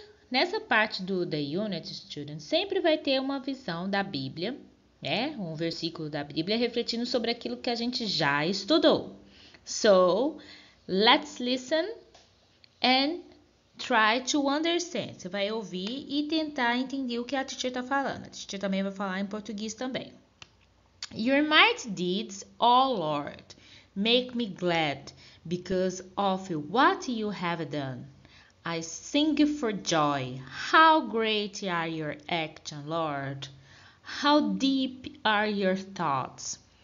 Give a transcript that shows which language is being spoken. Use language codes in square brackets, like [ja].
[pt] Nessa parte do The Unit, students, sempre vai ter uma visão da Bíblia, né? Um versículo da Bíblia refletindo sobre aquilo que a gente já estudou. [en] So, let's listen and try to understand. [pt] Você vai ouvir e tentar entender o que a teacher está falando. A teacher também vai falar em português também. [en] Your mighty deeds, O Lord, make me glad because of what you have done. I sing for joy. How great are your actions, Lord. How deep are your thoughts.